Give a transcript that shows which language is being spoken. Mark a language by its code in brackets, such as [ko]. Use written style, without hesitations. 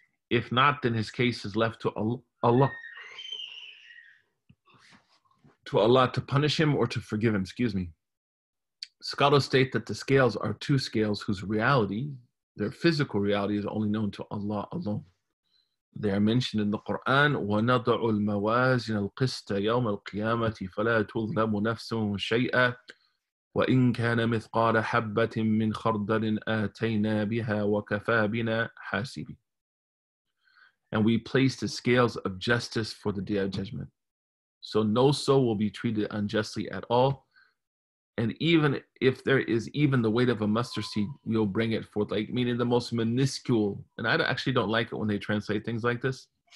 [en] If not, then his case is left to Allah. To Allah to punish him or to forgive him, excuse me. Scholars state that the scales are two scales whose reality, their physical reality, is only known to Allah alone. They are mentioned in the Quran, [ar] وَنَضَعُ الْمَوَازِنَ الْقِسْطَ يَوْمَ الْقِيَامَةِ فَلَا تُظْلَمُ نَفْسٌ شَيْئًا وَإِنْ كَانَ مِثْقَالَ حَبَّةٍ مِّنْ خَرْدَلٍ آتَيْنَا بِهَا وَكَفَى بِنَا حَاسِبِينَ. [en] And we place the scales of justice for the day of judgment. So no soul will be treated unjustly at all. And even if there is even the weight of a mustard seed, we'll bring it forth. Like, meaning the most minuscule. And I actually don't like it when they translate things like this.